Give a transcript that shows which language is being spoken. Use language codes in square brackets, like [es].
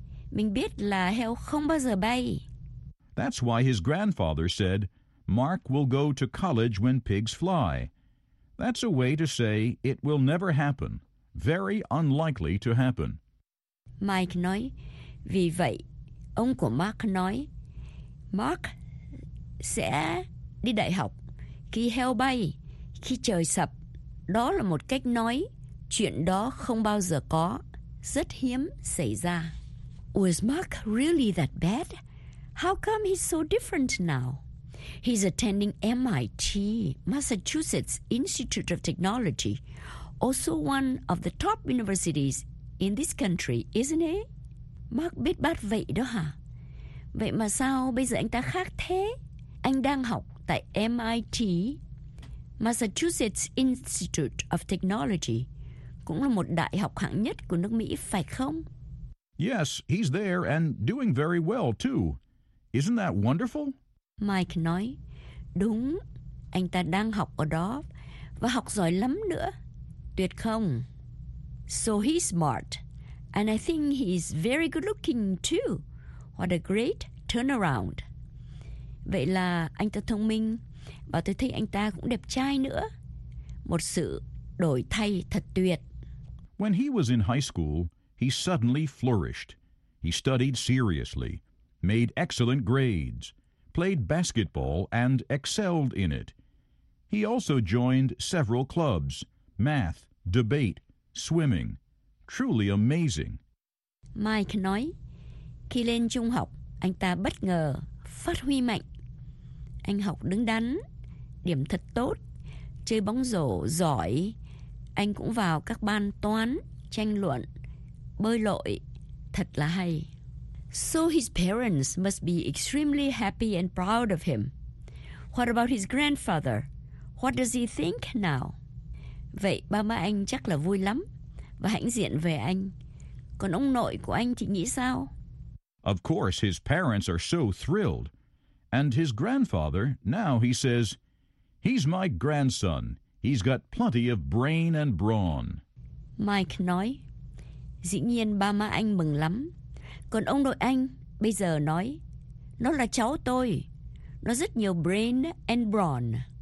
[vi] Mình biết là heo không bao giờ bay. [en] That's why his grandfather said, Mark will go to college when pigs fly. That's a way to say it will never happen. Very unlikely to happen. [vi] Mike nói, vì vậy, ông của Mark nói, Mark sẽ đi đại học khi heo bay, khi trời sập. Đó là một cách nói, chuyện đó không bao giờ có, rất hiếm xảy ra. [en] Was Mark really that bad? How come he's so different now? He's attending MIT, Massachusetts Institute of Technology, also one of the top universities in this country, isn't he? [vi] Mark biết bát vậy đó hả? Vậy mà sao bây giờ anh ta khác thế? Anh đang học tại MIT, Massachusetts Institute of Technology, cũng là một đại học hạng nhất của nước Mỹ, phải không? [en] Yes, he's there and doing very well, too. Isn't that wonderful? [vi] Mike nói, đúng, anh ta đang học ở đó và học giỏi lắm nữa. Tuyệt không? [en] So he's smart, and I think he's very good looking too. What a great turnaround. [vi] Vậy là anh ta thông minh và tôi thấy anh ta cũng đẹp trai nữa. Một sự đổi thay thật tuyệt. [en] When he was in high school, he suddenly flourished. He studied seriously, made excellent grades, played basketball, and excelled in it. He also joined several clubs, math, debate, swimming. Truly amazing. [vi] Mike nói, khi lên trung học, anh ta bất ngờ, phát huy mạnh. Anh học đứng đắn, điểm thật tốt, chơi bóng rổ giỏi. Anh cũng vào các ban toán, tranh luận, bơi lội. Thật là hay. [en] So his parents must be extremely happy and proud of him. What about his grandfather? What does he think now? [vi] Vậy ba má anh chắc là vui lắm và hãnh diện về anh. Còn ông nội của anh thì nghĩ sao? [en] Of course, his parents are so thrilled. And his grandfather, now he says, he's my grandson. He's got plenty of brain and brawn. [vi] Mike nói, dĩ nhiên ba má anh mừng lắm. Còn ông nội anh bây giờ nói, nó là cháu tôi. Nó rất nhiều [en] brain and brawn.